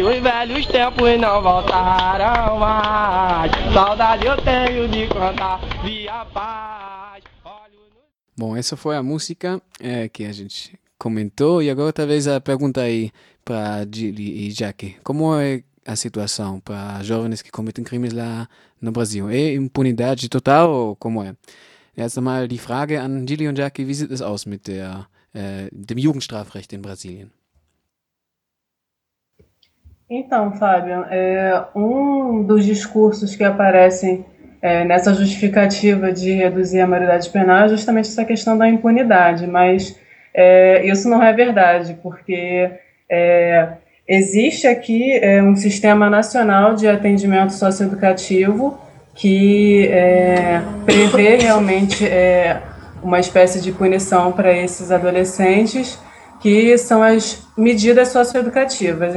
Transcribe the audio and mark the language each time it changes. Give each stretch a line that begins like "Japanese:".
Portuguese: Os velhos tempos não voltarão mais, saudade eu tenho de cantar via paz. Bom, essa foi a música que a gente comentou, e agora talvez a pergunta aí para Dili e Jackie: como é a situação para jovens que cometem crimes lá no Brasil? É impunidade total ou como é?
German: Jetzt nochmal die Frage an Dili und Jackie: wie sieht es aus mit dem Jugendstrafrecht in Brasilien?
Portuguese: Então, Fábio, dos discursos que aparecem nessa justificativa de reduzir a maioridade penal é justamente essa questão da impunidade, mas isso não é verdade, porque existe aqui um sistema nacional de atendimento socioeducativo que prevê realmente uma espécie de punição para esses adolescentes, que são as medidas socioeducativas.